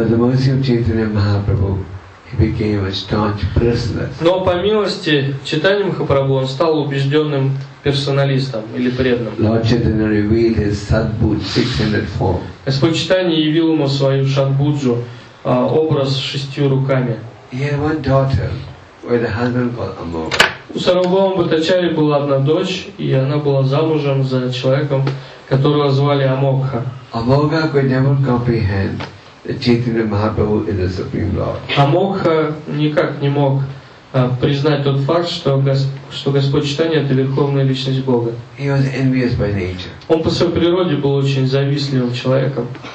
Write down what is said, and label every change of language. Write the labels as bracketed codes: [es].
[ru] Но по милости Чайтанья Махапрабху он стал убежденным персоналистом или преданным. [en] Lord Chaitanya revealed his Sadbud 600 form. [ru] Господь Чайтанья явил ему свою Шадбуджу, образ с шестью руками. [en] He had one daughter with a husband called Amoga. [ru] У Сарвабхаума Бхаттачарьи была одна дочь, и она была замужем за человеком, которого звали Амокха. [en] Amoga could never comprehend that Chaitanya Mahaprabhu is the Supreme Lord. [ru] Амокха никак не мог признать тот факт, что Господь Чайтанья — это Верховная Личность Бога. [en] He was envious by nature. [ru] Он по своей природе был очень завистливым человеком.